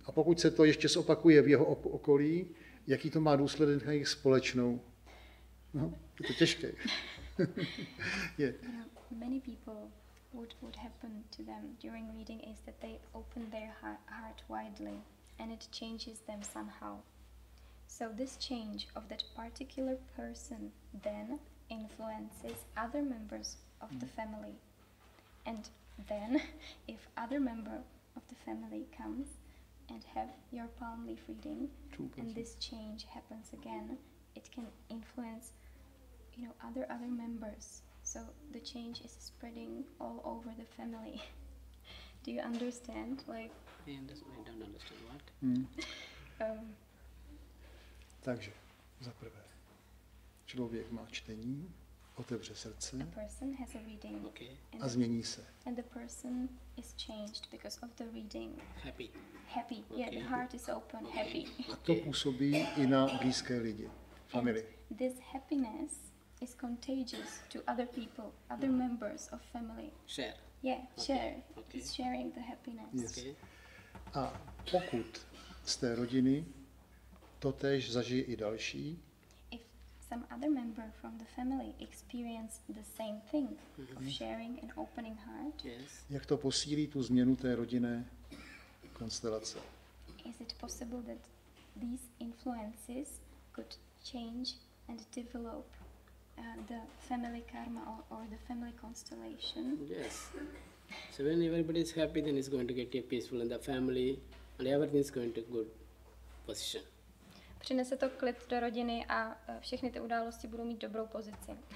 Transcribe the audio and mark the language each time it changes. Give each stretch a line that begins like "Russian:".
Czech: A pokud se to ještě zopakuje v jeho okolí, jaký to má důsledek na jejich společnou? No, je to těžké. Je.
English: You know, many people, what happened to them during reading is that they open their heart widely and it changes them somehow. So this change of that particular person then influences other members of the family. And then, if other member of the family comes and have your palm leaf reading, and this change happens again, it can influence, you know, other members. So the change is spreading all over the family. Do you understand? Like, I don't understand what.
Czech: Takže za prvé, člověk má čtení, otevře srdce.
English: A person has a reading. Okay.
Czech: A změní se.
English: And the person is changed because of the reading. Happy. Happy. Okay. Yeah, the heart is open. Okay. Happy.
Czech: A to působí i na blízké lidi, family.
English: And this happiness is contagious to other people, other members of family. Share. Yeah, share. Okay. It's sharing the happiness. Yes. Okay.
Czech: A pokud z té rodiny totéž zažije i další.
English: If some other member from the family experience the same thing of sharing and opening heart. Yes.
Czech: Jak to posílí tu změnu té rodinné konstelace?
English: Is it possible that these influences could change and develop the family karma or the family constellation? Yes. So when everybody is happy, then it's going to get peaceful in the family and everything is going to good position.
Czech: Přinese to klid do rodiny a všechny ty události budou mít dobrou pozici.